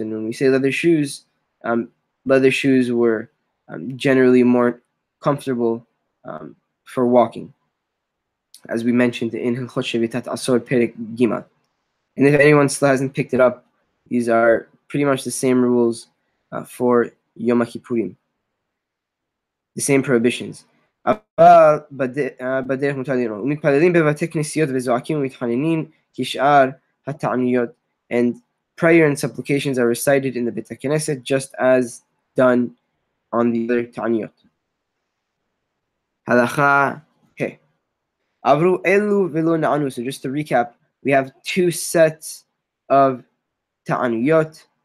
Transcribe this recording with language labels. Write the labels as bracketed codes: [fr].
[en] And when we say leather shoes were generally more comfortable for walking, as we mentioned in Hilchot Shevitat Asor Perek Gimel. And if anyone still hasn't picked it up, these are pretty much the same rules for Yom HaKippurim, the same prohibitions. [he] אבל בדרך מותר לראות. ומתפללים בבתי כנסיות וזועקים ומתחננים כשאר התעניות. [en] And prayer and supplications are recited in the Bet HaKnesset just as done on the other תעניות. [he] הלכה ה'. עברו אלו ולא נענו. [en] So just to recap, we have two sets of תעניות.